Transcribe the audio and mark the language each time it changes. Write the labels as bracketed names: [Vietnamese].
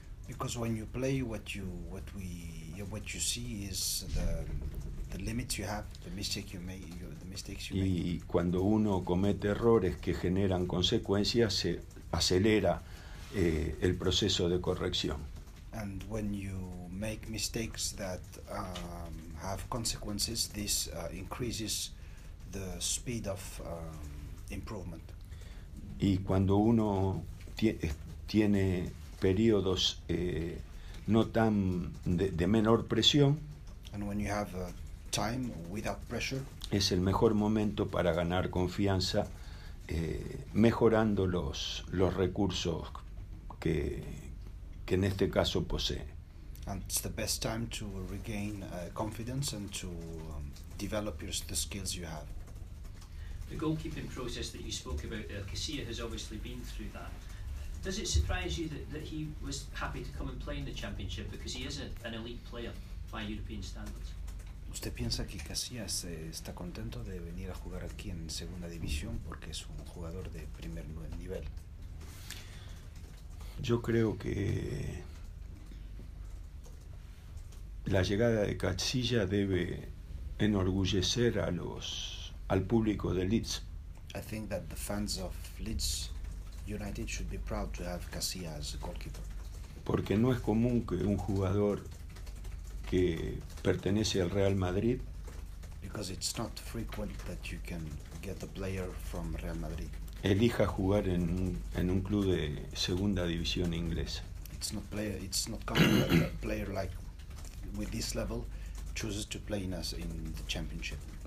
[English] Because when you play, what you see is the limits you have, the mistakes you make, the mistakes you make. [Spanish] Y cuando uno comete errores que generan consecuencias, se acelera el proceso de corrección. [English] And when you make mistakes that have consequences, this increases the speed of improvement. [Spanish] Y cuando uno tiene periodos no tan de menor presión, [English] and when you have a time without pressure, [Spanish] es el mejor momento para ganar confianza mejorando los recursos que en este caso posee. [English] And it's the best time to regain confidence and to develop the skills you have. The goalkeeping process that you spoke about, Casilla has obviously been through that. Does it surprise you that he was happy to come and play in the Championship, because he is an elite player by European standards? [Spanish] ¿Usted piensa que Casillas está contento de venir a jugar aquí en segunda división porque es un jugador de primer nivel? Yo creo que la llegada de Casillas debe enorgullecer a al público de Leeds. [English] I think that the fans of Leeds United should be proud to have Casillas as a goalkeeper. [Spanish] Porque no es común que un jugador que pertenece al Real Madrid, [English] because it's not frequent that you can get a player from Real Madrid, [Spanish] elija jugar en un club de segunda división inglesa. [English] It's not common that a player like with this level chooses to play in the Championship.